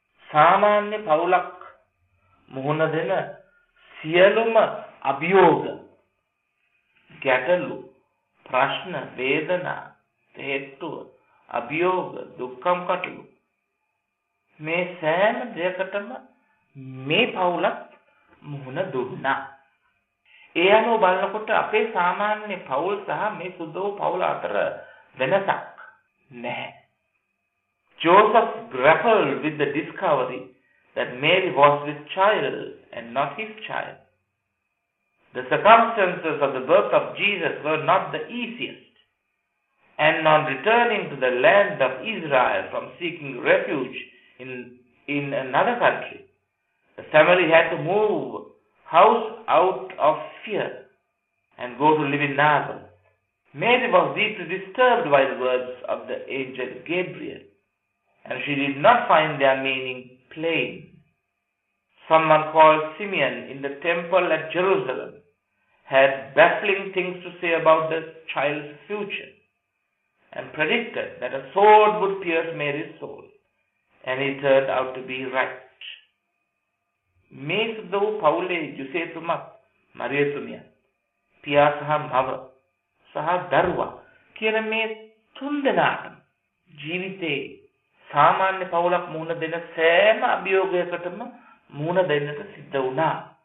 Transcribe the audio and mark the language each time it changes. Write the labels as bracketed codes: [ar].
[si] සාමාන්‍ය පවුලක් මුහුණ දෙන සියලුම අභියෝග, ගැටලු, ප්‍රශ්න, වේදනා, තේට්ටුව, අභියෝග, දුක්ඛම් කටලු මේ සෑම දෙයකටම මේ පවුලක් මුහුණ දුන්නා. ඒ අනුව බලනකොට අපේ සාමාන්‍ය පවුල් සහ මේ සුද්ධෝ පවුල අතර වෙනසක් නැහැ. [en] Joseph grappled with the discovery that Mary was his child and not his child. The circumstances of the birth of Jesus were not the easiest. And on returning to the land of Israel from seeking refuge in another country, the family had to move house out of fear and go to live in Nazareth. Mary was deeply disturbed by the words of the angel Gabriel, and she did not find their meaning plain. Someone called Simeon in the temple at Jerusalem had baffling things to say about the child's future and predicted that a sword would pierce Mary's soul, and it turned out to be right. [si] මේ සුදව පවුලේ ජුසේතුමත් මරියතුමියත් පියා සහ මව සහ දරුවා කියන මේ තුන්දෙනාටම ජීවිතේ සාමාන්‍ය පවුලක් මුහුණ දෙන සෑම අභියෝගයකටම මුහුණ දෙන්නට සිද්ධ වුණා.